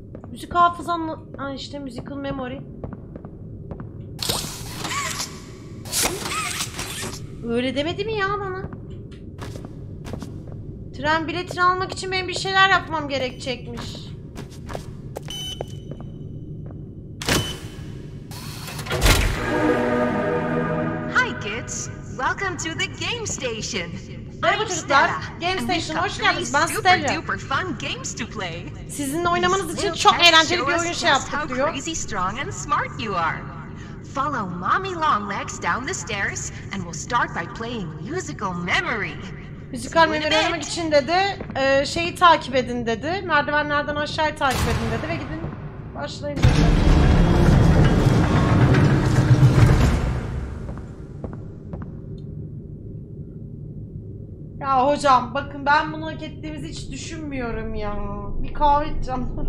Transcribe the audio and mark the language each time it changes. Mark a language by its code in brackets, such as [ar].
[tr] Müzik hafızan mı? Ha işte musical memory. Öyle demedi mi ya bana? Tren biletini almak için benim bir şeyler yapmam gerekecekmiş. [en] Hi kids, welcome to the game station. [tr] Merhaba çocuklar, game station'a hoş geldiniz. Ben Stella. [en] Super fun games to play. [tr] Sizinle oynamanız için çok eğlenceli bir oyun şey yaptık diyor. [en] Crazy strong and smart you are. Follow Mommy Longlegs down the stairs and we'll start by playing musical memory. [tr] Müzikal memory oynamak için dedi, şeyi takip edin dedi. Merdivenlerden aşağıya takip edin dedi ve gidin başlayın dedi. Hmm. Ya hocam bakın ben bunu hak ettiğimizi hiç düşünmüyorum ya. Bir kahve içeceğim.